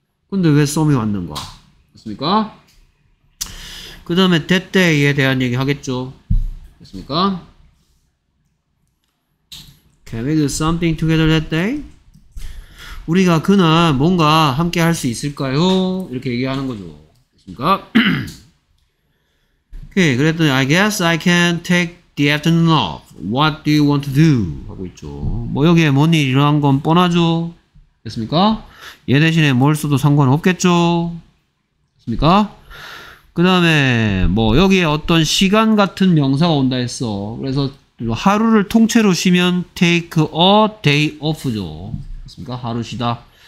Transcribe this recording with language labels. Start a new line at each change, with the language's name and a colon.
Korean: 근데 왜 썸이 왔는가? 됐습니까? 그 다음에 that day에 대한 얘기 하겠죠. 됐습니까?
English: Can we do something together that day?
Korean: 우리가 그날 뭔가 함께 할 수 있을까요? 이렇게 얘기하는 거죠. 됐습니까? 오케이. 그랬더니
English: I guess I can take the afternoon off. What do you want to do?
Korean: 하고 있죠. 뭐 여기에 뭔 일이 일어난 건 뻔하죠. 됐습니까? 얘 대신에 뭘 써도 상관없겠죠. 됐습니까? 그 다음에 뭐 여기에 어떤 시간 같은 명사가 온다 했어. 그래서 하루를 통째로 쉬면 take a day off죠. 됐습니까? 하루 쉬다.